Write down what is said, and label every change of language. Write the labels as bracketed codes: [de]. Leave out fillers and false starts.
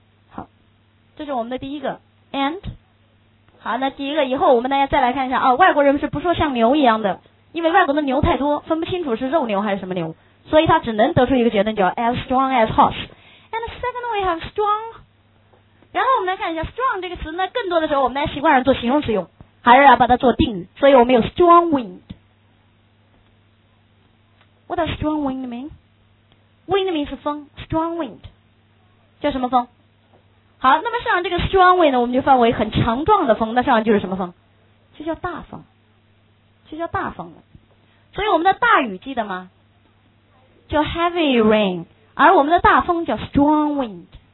[zh] 好，这是我们的第一个 and。好，那第一个以后我们大家再来看一下啊，外国人是不说像牛一样的，因为外国的牛太多，分不清楚是肉牛还是什么牛，所以他只能得出一个结论叫 [en] as strong as horse。 And second we have strong。 [zh] 然后我们来看一下 strong 这个词呢，更多的时候我们来习惯上做形容词用，还是要把它做定语，所以我们有 strong wind。 [en] What does strong wind mean? Wind means [zh] 风， strong wind 叫什么风。好，那么实际上这个 strong wind 呢，我们就范围很强壮的风，那实际上就是什么风，就叫大风，就叫大风了。所以我们的大雨记得吗，叫 heavy rain， 而我们的大风叫 strong wind。